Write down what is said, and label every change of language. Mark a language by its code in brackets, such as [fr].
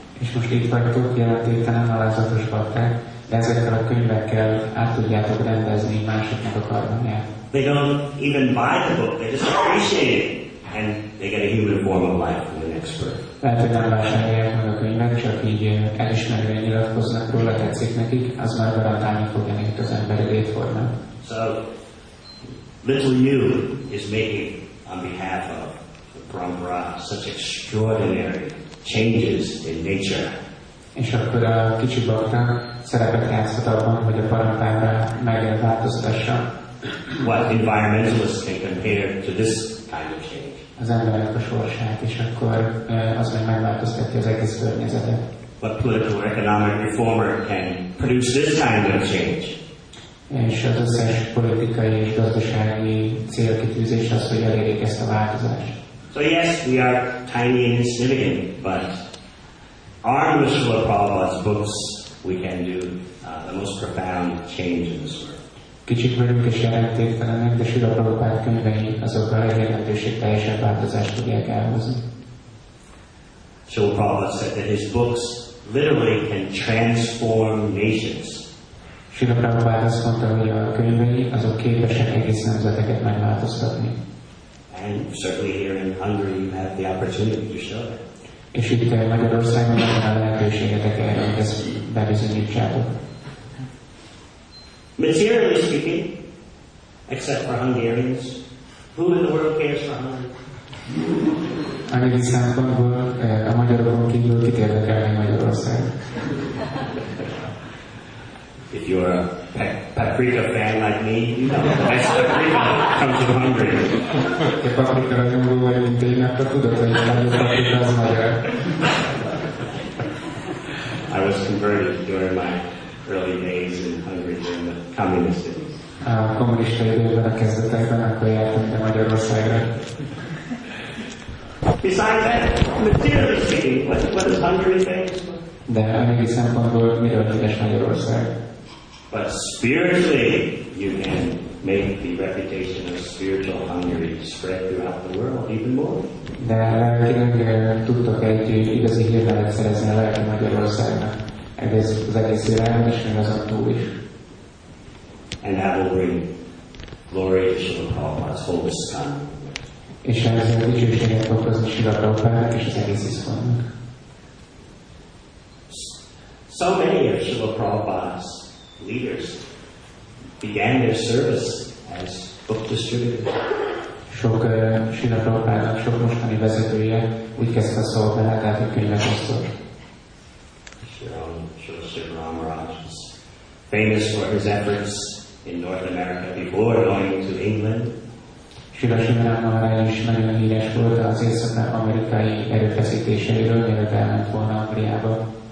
[hu] És most itt vagytok, jelentéktelen alázatos bakták, de ezekkel a könyvekkel át tudjátok rendezni másoknak a karmáját. [en] They don't even buy the book, they just appreciate it, and they get a human form of life from the next birth. [hu] Lehet, hogy nem vásárolják meg a könyvet, csak így elismerően nyilatkoznak róla, tetszik nekik, az már garantálni fogja nekik az emberi létformát. [en] So, little you is making on behalf of the Brahmara such extraordinary changes in nature. [hu] És akkor a kicsi baktának szerepet játszhat abban, hogy a parampára megváltoztassa. [en] What environmentalists can compare to this kind of change? [hu] Az embernek a sorsát, és akkor az meg megváltoztatja az egész környezetet. [en] What political or economic reformer can produce this kind of change? [hu] És az összes politikai és gazdasági célkitűzés az, hogy elérjék ezt a változást. [en] So yes, we are tiny and insignificant, but armed with Srila Prabhupada's books, we can do the most profound change in this world. [hu] Kicsik vagyunk és jelentéktelenek, de Srila Prabhupád könyvei azokkal egy jelentőség teljesen változást tudják elhozni. [en] Srila Prabhupád said that his books literally can transform nations. [hu] Srila Prabhupád azt mondta, hogy a könyvei azok képesek egész nemzeteket megváltoztatni. [en] And certainly here in Hungary you have the opportunity to show that. [hu] És itt Magyarországon van a lehetőségetek erre, hogy ezt bebizonyítsátok. [en] Materially speaking, except for Hungarians, who in the world cares for Hungary? [hu] Anyagi szempontból a magyarokon kívül kit érdekel még Magyarország? [en] If you are a paprika fan like me, you know the best paprika comes from Hungary. [hu] A paprika rajongó vagy, mint én, akkor tudod, hogy a paprika az magyar. [en] I was converted during my early days in Hungary during the communist days. [hu] A kommunista időben a kezdetekben, akkor jártam ide Magyarországra. [en] Besides that, materially speaking, what is Hungary famous for? [hu] De anyagi szempontból miről híres Magyarország? But spiritually, you can make the reputation of spiritual Hungary spread throughout the world even more. De lelkileg tudtok egy igazi hírnevet szerezni a lelki Magyarországnak. Egész az egész világon és még azon túl is. [en] And that will bring glory to Srila Prabhupada's whole ISKCON. [hu] És ez a dicsőséget fog hozni Srila Prabhupádnak és az egész ISKCON-nak. [en] So many of Srila Prabhupada's leaders began their service as book distributors. [hu] Sok Srila Prabhupádnak, sok mostani vezetője úgy kezdte a szolgálatát, hogy könyvekosztó. [en] Srila Amaraj is famous for his efforts in North America before going to England. [hu] Srila Amaraj is nagyon híres volt az észak-amerikai erőfeszítéseiről, mielőtt elment volna Angliába.